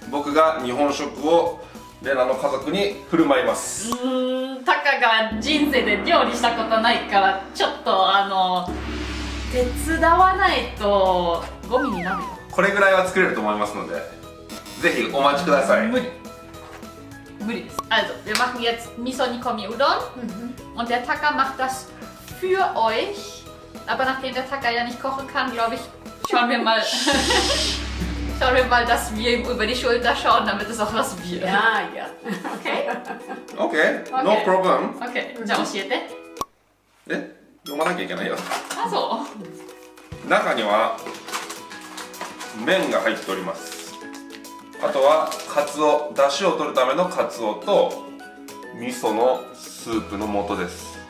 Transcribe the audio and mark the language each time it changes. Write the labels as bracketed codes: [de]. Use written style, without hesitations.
[ja] 僕が日本食をレナの家族に振る舞います。たかが人生で料理したことないから、ちょっと手伝わないとゴミになるよ。これぐらいは作れると思いますので、ぜひお待ちください。無理です。 [de] Also, wir machen jetzt Miso-Nikomi-Udon. Und der Taka macht das für euch. Aber nachdem der Taka ja nicht kochen kann, glaube ich, schauen wir mal, dass wir ihm über die Schulter schauen, damit es auch was wird. Ja, ja. Okay? [en] Okay, no problem. [ja] Okay, じゃあ教えて。え？読まなきゃいけないよ。あ、そう。中には麺が入っております。あとはカツオ、だしを取るためのカツオと味噌のスープの素です。